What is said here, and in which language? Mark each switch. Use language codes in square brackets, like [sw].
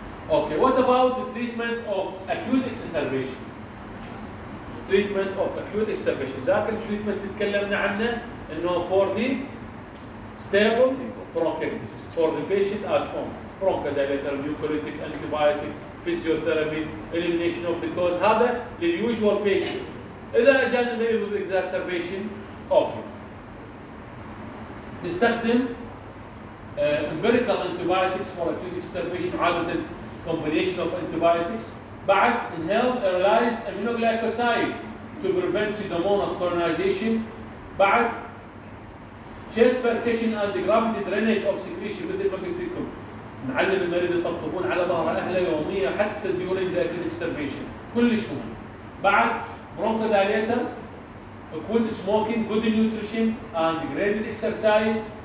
[en] Okay, what about the treatment of acute exacerbation? Treatment of acute exacerbation. [ar] ذاك التريتمنت اللي تكلمنا عنه انه [en] for the stable bronchiectasis for the patient at home. Bronchodilator, mucolytic, antibiotic, physiotherapy, elimination of the cause. [ar] هذا للusual patient. إذا أجانا المريض [en] with exacerbation, [ar] okay. نستخدم [en] empirical antibiotics for acute exacerbation عادة combination of antibiotics. بعد inhaled aerosolized aminoglycoside to prevent pseudomonas colonization. [ar] بعد [en] chest percussion and the gravity drainage of secretion [ar] مثل ما قلت لكم نعلم المريض يطبطبون على ظهر اهله يوميا حتى [en] during the acute exacerbation [ar] كلش مهم. [en] بعد bronchodilators, good smoking, good nutrition and graded exercise.